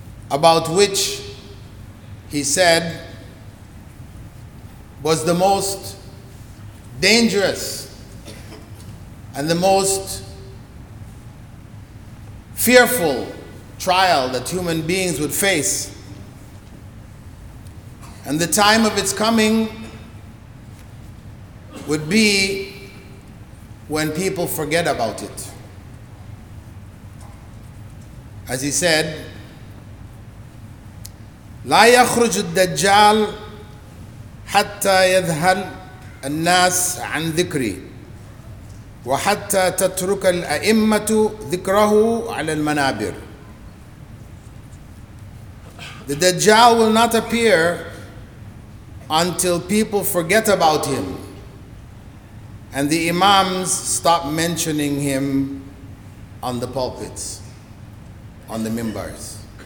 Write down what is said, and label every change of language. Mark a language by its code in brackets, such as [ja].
[en] about which he said was the most dangerous and the most fearful trial that human beings would face. And the time of its coming would be when people forget about it. [ar] As he said, لَا يَخْرُجُ الدَّجَّالُ حَتَّى يَذْهَلَ النَّاسُ عَنْ ذِكْرِي وَحَتَّى تَتْرُكَ الْأَئِمَّةُ ذِكْرَهُ عَلَى الْمَنَابِرِ. [en] The Dajjal will not appear until people forget about him and the Imams stop mentioning him on the pulpits, on the mimbars.